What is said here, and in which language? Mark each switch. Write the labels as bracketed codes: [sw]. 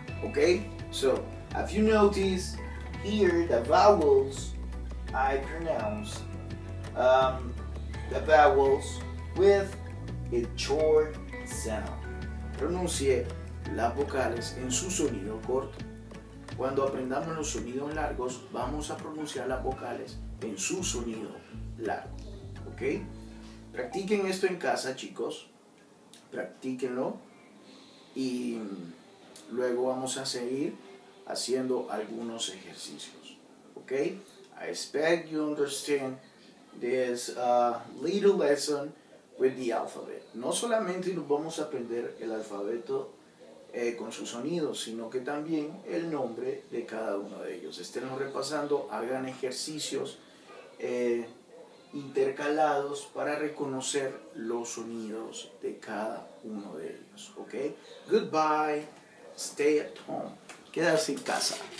[en] Okay, so have you noticed here the vowels I pronounce the vowels with a short sound? [es] Pronuncie las vocales en su sonido corto. Cuando aprendamos los sonidos largos, vamos a pronunciar las vocales en su sonido largo, ¿ok? Practiquen esto en casa, chicos. Practíquenlo. Y luego vamos a seguir haciendo algunos ejercicios, ¿ok? [en] I expect you understand this little lesson with the alphabet. [es] No solamente nos vamos a aprender el alfabeto con sus sonidos, sino que también el nombre de cada uno de ellos. Estén repasando, hagan ejercicios intercalados para reconocer los sonidos de cada uno de ellos. [en] Okay? Goodbye. Stay at home. [es] Quédate en casa.